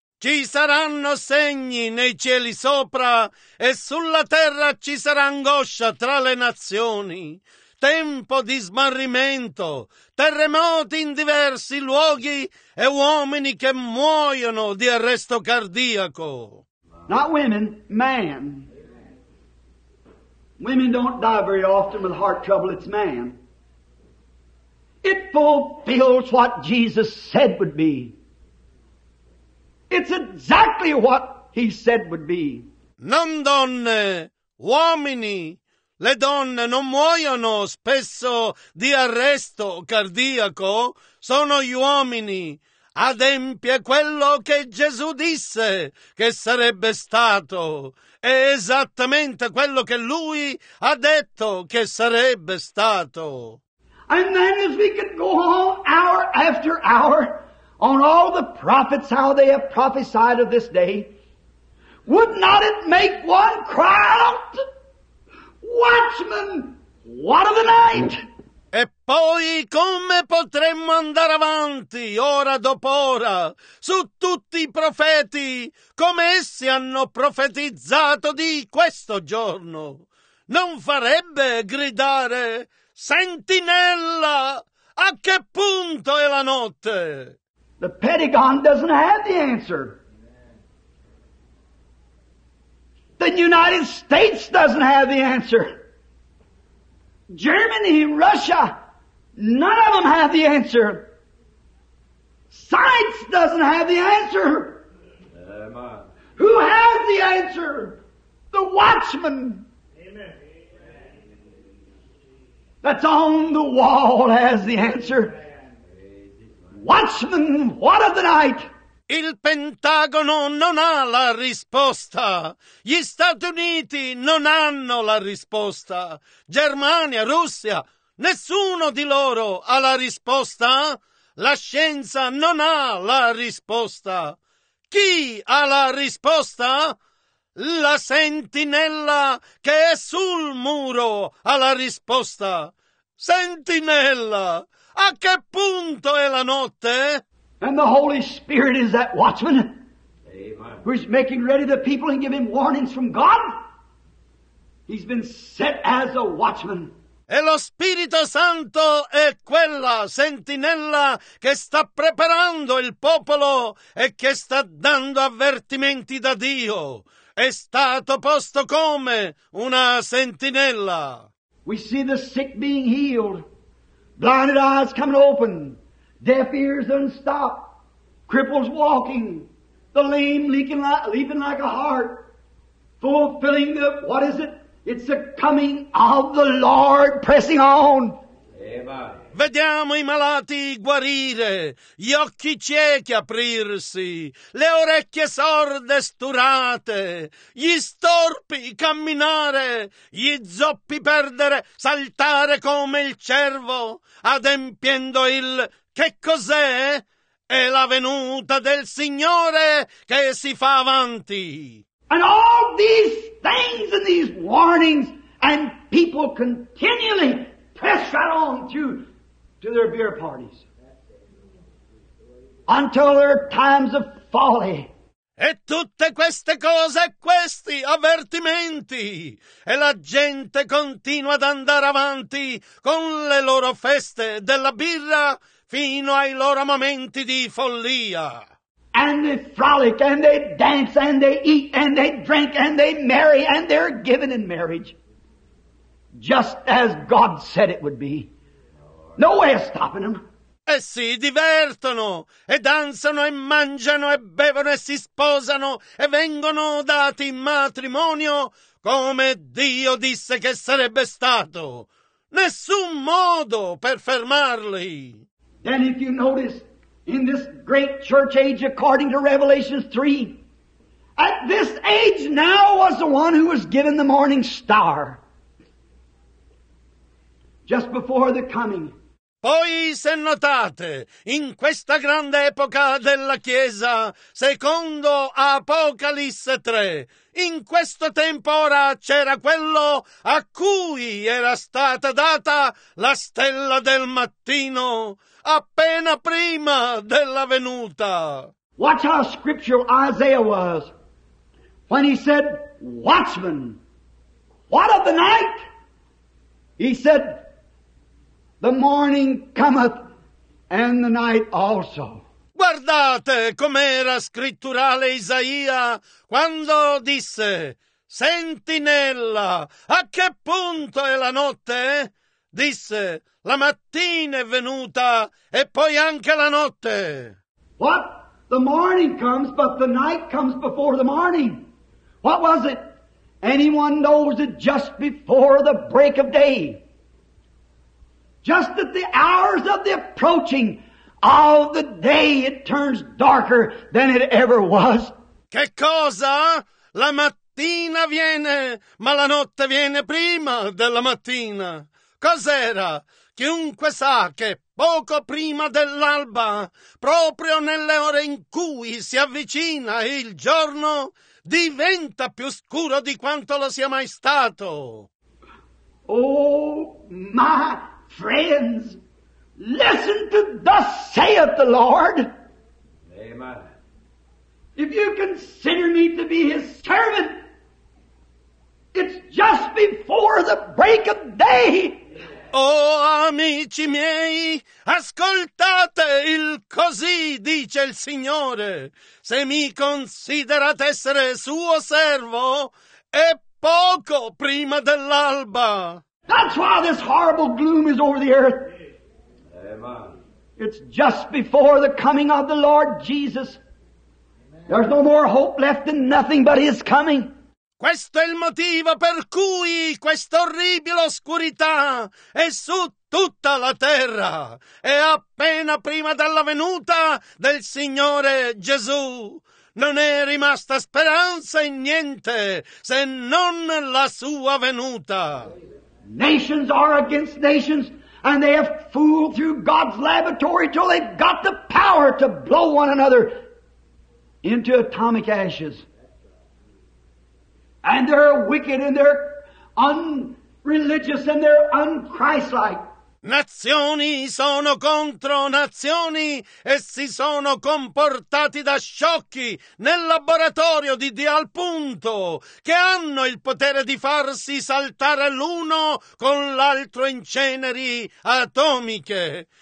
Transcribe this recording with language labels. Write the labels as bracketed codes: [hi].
[it] Ci saranno segni nei cieli sopra, e sulla terra ci sarà angoscia tra le nazioni. Tempo di smarrimento, terremoti in diversi luoghi, e uomini che muoiono di arresto cardiaco. [en] Not women, man. Women don't die very often with heart trouble, it's man. It fulfills what Jesus said would be. It's exactly what he said would be. [it] Non donne, uomini. Le donne non muoiono spesso di arresto cardiaco. Sono gli uomini. Adempie quello che Gesù disse che sarebbe stato. È esattamente quello che lui ha detto che sarebbe stato. [en] And then as we could go on hour after hour on all the prophets, how they have prophesied of this day, would not it make one cry out, Watchman, what of the night? [it] E poi come potremmo andare avanti, ora dopo ora, su tutti i profeti, come essi hanno profetizzato di questo giorno? Non farebbe gridare, Sentinella, a che punto è la notte? [en] The Pentagon doesn't have the answer. The United States doesn't have the answer. Germany, Russia, none of them have the answer. Science doesn't have the answer. Amen. Who has the answer? The watchman. Amen. That's on the wall has the answer. Watchman, what of the night? [it] Il Pentagono non ha la risposta. Gli Stati Uniti non hanno la risposta. Germania, Russia, nessuno di loro ha la risposta. La scienza non ha la risposta. Chi ha la risposta? La sentinella che è sul muro ha la risposta. Sentinella! A che punto è la notte? [en] And the Holy Spirit is that watchman. Amen. Who's making ready the people and giving warnings from God. He's been set as a watchman. [it] E lo Spirito Santo è quella sentinella che sta preparando il popolo e che sta dando avvertimenti da Dio. È stato posto come una sentinella. [en] We see the sick being healed. Blinded eyes coming open, deaf ears unstopped, cripples walking, the lame leaping like a hart, fulfilling the, what is it? It's the coming of the Lord pressing on. Amen. [it] Vediamo i malati guarire, gli occhi ciechi aprirsi, le orecchie sorde sturate, gli storpi camminare, gli zoppi perdere, saltare come il cervo, adempiendo il che cos'è? È la venuta del Signore che si fa avanti. [en] And all these things and these warnings and people people continually press right on through to their beer parties until there are times of folly. [it] E tutte queste cose, questi avvertimenti, e la gente continua ad andare avanti con le loro feste della birra fino ai loro momenti di follia. [en] And they frolic, and they dance, and they eat, and they drink, and they marry, and they're given in marriage, just as God said it would be. No way of stopping them. [it] E si divertono, e danzano, e mangiano, e bevono, e si sposano, e vengono dati in matrimonio, come Dio disse che sarebbe stato. Nessun modo per fermarli. [en] Then if you notice, in this great church age, according to Revelation 3, at this age now was the one who was given the morning star, just before the coming. [it] Poi, se notate, in questa grande epoca della Chiesa, secondo Apocalisse 3, in questo tempo ora c'era quello a cui era stata data la stella del mattino, appena prima della venuta. [en] Watch how scriptural Isaiah was when he said, "Watchman, what of the night?" He said, "The morning cometh, and the night also." [it] Guardate com'era scritturale Isaia quando disse, "Sentinella, a che punto è la notte?" Disse, "La mattina è venuta, e poi anche la notte." [en] What? The morning comes, but the night comes before the morning. What was it? Anyone knows it just before the break of day. Just at the hours of the approaching of the day, it turns darker than it ever was. [it] Che cosa? La mattina viene, ma la notte viene prima della mattina. Cos'era? Chiunque sa che poco prima dell'alba, proprio nelle ore in cui si avvicina il giorno, diventa più scuro di quanto lo sia mai stato. [en] Oh, ma... friends, listen to thus saith the Lord. Amen. If you consider me to be his servant, it's just before the break of day. [it] Oh, amici miei, ascoltate il così, dice il Signore. Se mi considerate essere suo servo, è poco prima dell'alba. [en] That's why this horrible gloom is over the earth. Amen. It's just before the coming of the Lord Jesus. Amen. There's no more hope left in nothing but His coming. [it] Questo è il motivo per cui questa orribile oscurità è su tutta la terra. È appena prima della venuta del Signore Gesù. Non è rimasta speranza in niente se non la sua venuta. [en] Nations are against nations, and they have fooled through God's laboratory till they've got the power to blow one another into atomic ashes. And they're wicked, and they're unreligious, and they're unchristlike. [it] Nazioni sono contro nazioni e si sono comportati da sciocchi nel laboratorio di Dio al punto che hanno il potere di farsi saltare l'uno con l'altro in ceneri atomiche.